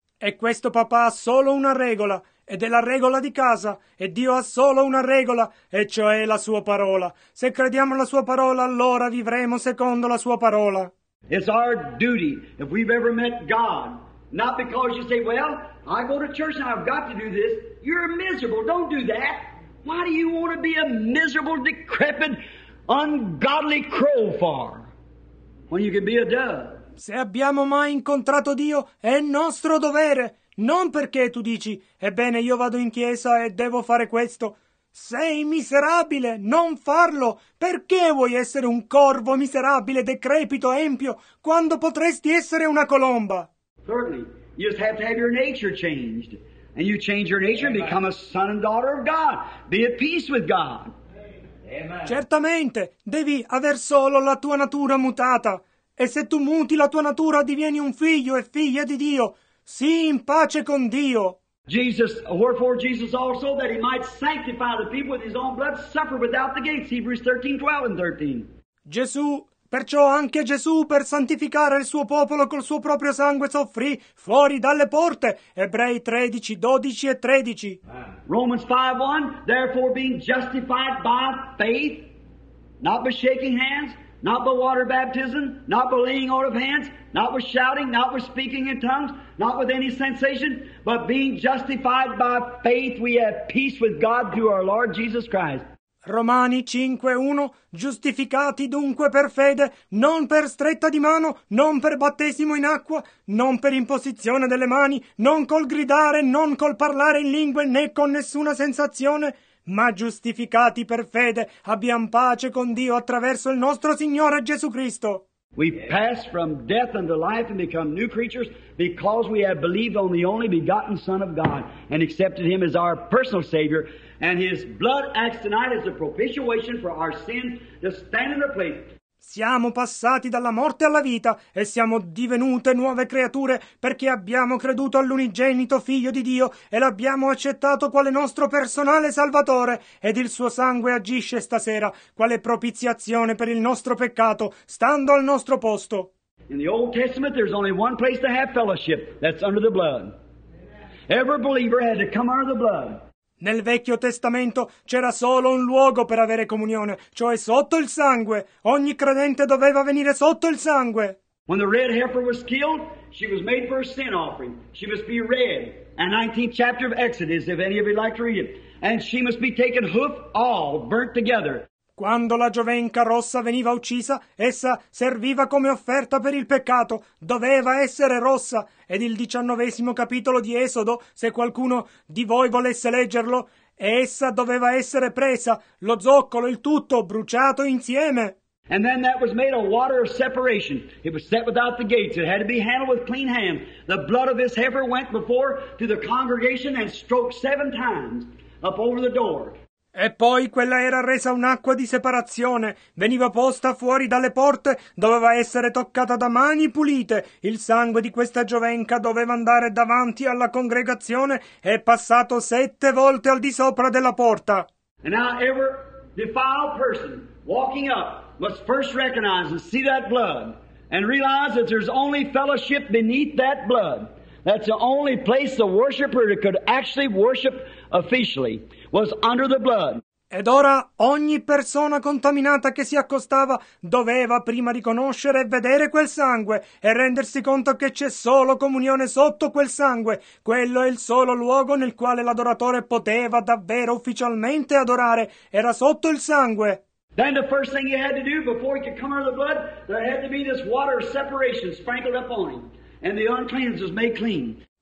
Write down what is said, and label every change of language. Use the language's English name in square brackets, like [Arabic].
[Italian] E questo, papà, ha solo una regola, ed è la regola di casa. E Dio ha solo una regola, e cioè la Sua parola. Se crediamo alla Sua parola, allora vivremo secondo la Sua parola. [English] It's our duty, if we've ever met God, not because you say, well, I go to church and I've got to do this. You're miserable, don't do that. Why do you want to be a miserable, decrepit, ungodly crow for? When you can be a dove. [Italian] Se abbiamo mai incontrato Dio, è nostro dovere. Non perché tu dici, ebbene, io vado in chiesa e devo fare questo. Sei miserabile, non farlo. Perché vuoi essere un corvo miserabile, decrepito, empio, quando potresti essere una colomba? [English] Certainly, you just have to have your nature changed. And you change your nature and become a son and daughter of God. Be at peace with God. [Italian] Certamente, devi aver solo la tua natura mutata. E se tu muti la tua natura, divieni un figlio e figlia di Dio. Sii in pace con Dio. [English] Jesus, wherefore Jesus also, that he might sanctify the people with his own blood, suffered without the gates, Hebrews 13, 12 and 13. [Italian] Gesù, perciò anche Gesù, per santificare il suo popolo col suo proprio sangue, soffrì fuori dalle porte, Ebrei 13, 12 e 13. [English] Romans 5, 1, therefore being justified by faith, not by shaking hands, not by water baptism, not by laying on of hands, not with shouting, not with speaking in tongues, not with any sensation, but being justified by faith, we have peace with God through our Lord Jesus Christ. [Italian] Romani 5:1, giustificati dunque per fede, non per stretta di mano, non per battesimo in acqua, non per imposizione delle mani, non col gridare, non col parlare in lingue, né con nessuna sensazione, ma giustificati per fede, abbiamo pace con Dio attraverso il nostro Signore Gesù Cristo. [English] We pass from death unto life and become new creatures because we have believed on the only begotten Son of God and accepted Him as our personal Savior. And His blood acts tonight as a propitiation for our sins to stand in the place. [Italian] Siamo passati dalla morte alla vita e siamo divenute nuove creature perché abbiamo creduto all'unigenito Figlio di Dio e l'abbiamo accettato quale nostro personale Salvatore ed il Suo sangue agisce stasera quale propiziazione per il nostro peccato, stando al nostro posto. [English] In the Old Testament there's only one place to have fellowship, that's under the blood. Every believer had to come under the blood. [Italian] Nel Vecchio Testamento c'era solo un luogo per avere comunione, cioè sotto il sangue. Ogni credente doveva venire sotto il sangue. [English] When the red heifer was killed, she was made for a sin offering. She must be red. And 19th chapter of Exodus, if any of you like to read it. And she must be taken hoof all, burnt together. [Italian] Quando la giovenca rossa veniva uccisa, essa serviva come offerta per il peccato, doveva essere rossa. Ed il 19° capitolo di Esodo, se qualcuno di voi volesse leggerlo, essa doveva essere presa, lo zoccolo, il tutto, bruciato insieme. [English] And then that was made a water of separation. It was set without the gates. It had to be handled with clean hands. The blood of this heifer went before to the congregation and stroked 7 times up over the door. [Italian] E poi quella era resa un'acqua di separazione, veniva posta fuori dalle porte, doveva essere toccata da mani pulite, il sangue di questa giovenca doveva andare davanti alla congregazione e passato 7 volte al di sopra della porta. [English] And now every defiled person walking up must first recognize and see that blood and realize that there's only fellowship beneath that blood. That's the only place the worshiper could actually worship officially, was under the blood. [Italian] Ed ora ogni persona contaminata che si accostava doveva prima riconoscere e vedere quel sangue e rendersi conto che c'è solo comunione sotto quel sangue. Quello è il solo luogo nel quale l'adoratore poteva davvero ufficialmente adorare. Era sotto il sangue. [English] Then the first thing you had to do before you could come under the blood, there had to be this water separation sprinkled up on him. And the unclean was made clean.